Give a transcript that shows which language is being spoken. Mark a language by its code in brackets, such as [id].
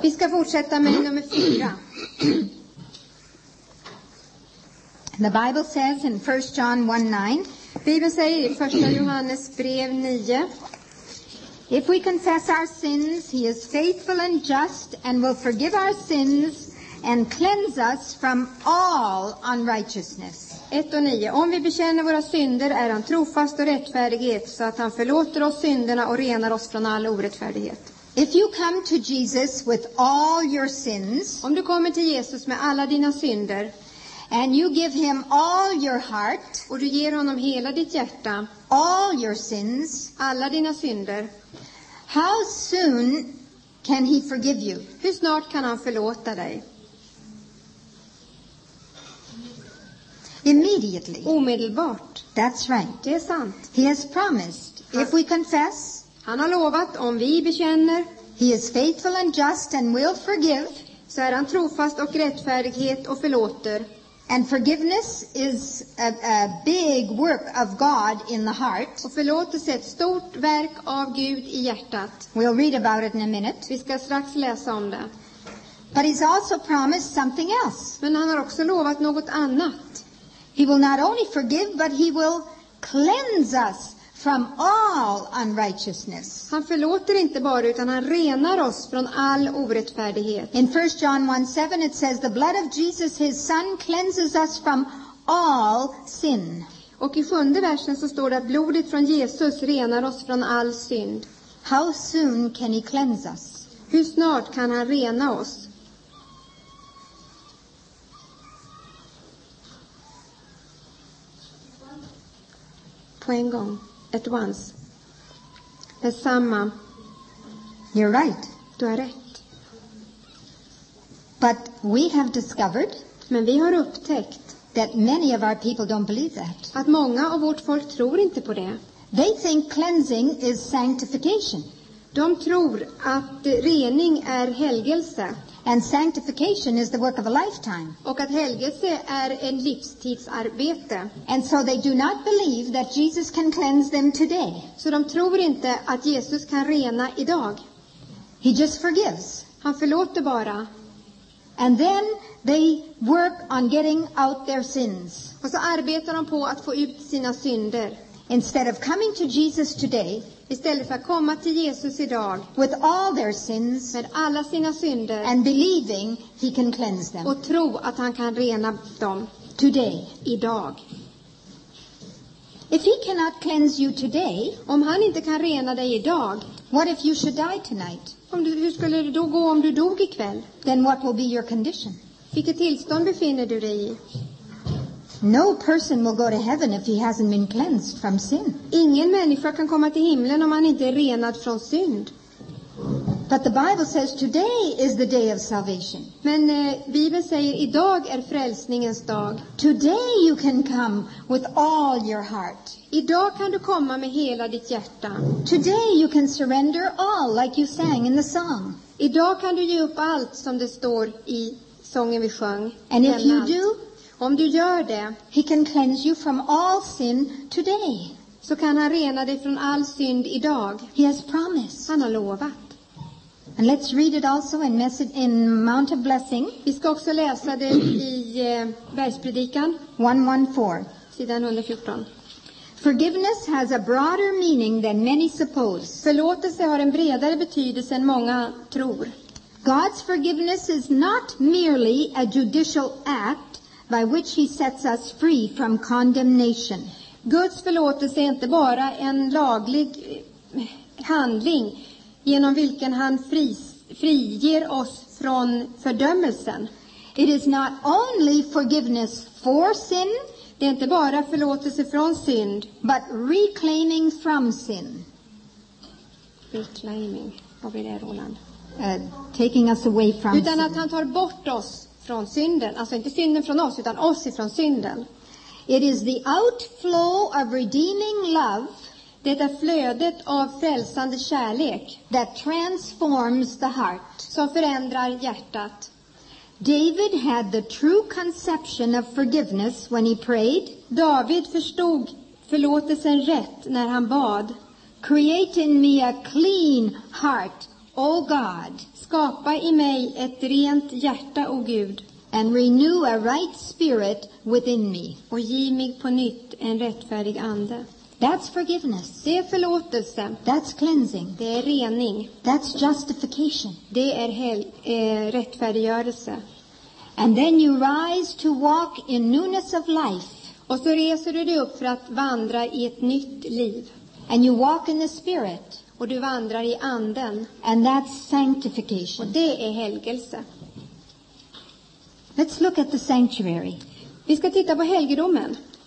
[sv] Vi ska fortsätta med nummer fyra. [en] The Bible says in 1 John 1:9. [sv] Bibeln säger i första Johannes brev 9. [en] If we confess our sins, he is faithful and just and will forgive our sins and cleanse us from all unrighteousness. 1:9. [sv] Om vi bekänner våra synder är han trofast och rättfärdighet så att han förlåter oss synderna och renar oss från all orättfärdighet. [en] If you come to Jesus with all your sins, [sv] om du kommer till Jesus med alla dina synder, [en] and you give him all your heart, [sv] och du ger honom hela ditt hjärta, [en] all your sins, [sv] alla dina synder, [en] how soon can he forgive you? [sv] Hur snart kan han förlåta dig? [en] Immediately. [sv] Omedelbart. [en] That's right. [sv] Det är sant. [en] He has promised. [sv] Han, [en] if we confess, [sv] han har lovat om vi bekänner, [en] he is faithful and just and will forgive, [sv] så är han trofast och rättfärdighet och förlåter. [en] And forgiveness is a big work of God in the heart. [sv] Och förlåtelse är ett stort verk av Gud i hjärtat. [en] We'll read about it in a minute. [sv] Vi ska strax läsa om det. [en] But he's also promised something else. [sv] Men han har också lovat något annat. [en] He will not only forgive, but he will cleanse us from all unrighteousness. [sv] Han förlåter inte bara utan han renar oss från all orättfärdighet. [en] In 1 John 1:7 it says the blood of Jesus his son cleanses us from all sin. [sv] Och i sjunde versen så står det att blodet från Jesus renar oss från all synd. [en] How soon can he cleanse us? [sv] Hur snart kan han rena oss? På en gång. [en] At once. [sv] Det samma. [en] You're right. [sv] Du har rätt. [en] But we have discovered. [sv] Men vi har upptäckt. [en] That many of our people don't believe that. [sv] Att många av vårt folk tror inte på det. [en] They think cleansing is sanctification. [sv] De tror att rening är helgelse. [en] And sanctification is the work of a lifetime. [sv] Och att helgelse är en livstidsarbete. [en] And so they do not believe that Jesus can cleanse them today. [sv] Så de tror inte att Jesus kan rena idag. [en] He just forgives. [sv] Han förlåter bara. [en] And then they work on getting out their sins. [sv] Och så arbetar de på att få ut sina synder. [en] Instead of coming to Jesus today, [sv] istället för att komma till Jesus idag [en] with all their sins, [sv] med alla sina synder, [en] and believing he can cleanse them, [sv] och tro att han kan rena dem [en] today, [sv] idag. [en] If he cannot cleanse you today, [sv] om han inte kan rena dig idag, [en] what if you should die tonight? [sv] Om du, hur skulle det då gå om du dog ikväll? [en] Then what will be your condition? [sv] Vilket tillstånd befinner du dig i? [en] No person will go to heaven if he hasn't been cleansed from sin. [sv] Ingen människa kan komma till himlen om han inte är renad från synd. [en] But the Bible says today is the day of salvation. [sv] Men Bibeln säger idag är frälsningens dag. [en] Today you can come with all your heart. [sv] Idag kan du komma med hela ditt hjärta. [en] Today you can surrender all like you sang in the song. [sv] Idag kan du ge upp allt som det står i sången vi sjöng. [en] And if you do, [sv] om du gör det, [en] he can cleanse you from all sin today. [sv] Så kan han rena dig från all synd idag. [en] He has promised. [sv] Han har lovat. [en] And let's read it also in message in Mount of Blessing. [sv] Vi ska också läsa det i Bergspredikan 1:14. Sidan 114. [en] Forgiveness has a broader meaning than many suppose. [sv] Förlåtelse har en bredare betydelse än många tror. [en] God's forgiveness is not merely a judicial act by which he sets us free from condemnation. [sv] Guds förlåtelse är inte bara en laglig handling genom vilken han friger oss från fördömelsen. [en] It is not only forgiveness for sin, [sv] det är inte bara förlåtelse från synd, [en] but reclaiming from sin. [sv] Reclaiming, vad vill det, Roland? [en] Taking us away from sin. [sv] Utan att han tar bort oss från synden, alltså inte synden från oss utan oss ifrån synden. [en] It is the outflow of redeeming love, [sv] det är flödet av frälsande kärlek, [en] that transforms the heart, [sv] som förändrar hjärtat. [en] David had the true conception of forgiveness when he prayed. [sv] David förstod förlåtelsen rätt när han bad. [en] Create in me a clean heart, O God. [sv] Skapa i mig ett rent hjärta, O Gud. [en] And renew a right spirit within me. [sv] Och ge mig på nytt en rättfärdig ande. [en] That's forgiveness. [sv] Det är förlåtelse. [en] That's cleansing. [sv] Det är rening. [en] That's justification. [sv] Det är rättfärdiggörelse. [en] And then you rise to walk in newness of life. [sv] Och så reser du dig upp för att vandra i ett nytt liv. [en] And you walk in the spirit. [sv] Och du vandrar i anden. [en] And that's sanctification. [sv] Och det är helgelse. [en] Let's look at the sanctuary. [sv] Vi ska titta på helgedomen.